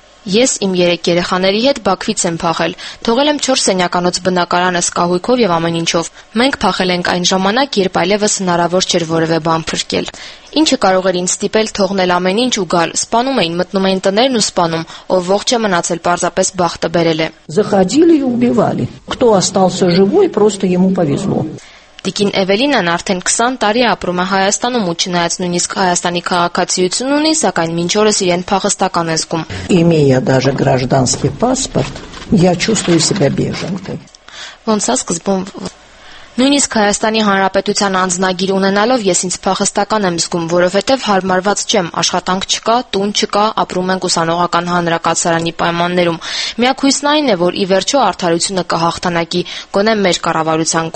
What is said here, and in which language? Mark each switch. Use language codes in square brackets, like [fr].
[hy] Ես իմ 3 երեխաների հետ Բաքվից եմ փախել։ Թողել եմ 4 սենյականոց բնակարանս կահույքով եւ ամեն ինչով։ Մենք փախել ենք այն ժամանակ, երբ այլևս հնարավոր չէր որևէ բան փրկել։ Ինչը կարող էր ինձ ստիպել թողնել ամեն ինչ ու գալ։ Սպանում էին, մտնում էին տներն ու սպանում, ով ողջ է մնացել, պարզապես բախտը բերել է։ [ru] Заходили и убивали. Кто остался живой, просто ему повезло. [hy] Տիկին Էվելինան արդեն 20 տարի ապրում է Հայաստանում ու չնայած նույնիսկ հայաստանի քաղաքացիություն ունի, սակայն մինչ օրս իրեն փախստական է զգում։ [ru] Իմեյա даже гражданский паспорт. Я чувствую себя беженкой. [hy] Ոնց է սկզբում Նույնիսկ Հայաստանի Հանրապետության անձնագիր ունենալով ես ինձ փախստական եմ զգում, որովհետև հարմարված չեմ, աշխատանք չկա, տուն չկա, ապրում ենք ուսանողական հանրակացարանի պայմաններում։ Միակ հույսն այն է, որ ի վերջո արդարությունը կհաղթանակի, գոնե մեր կառավարության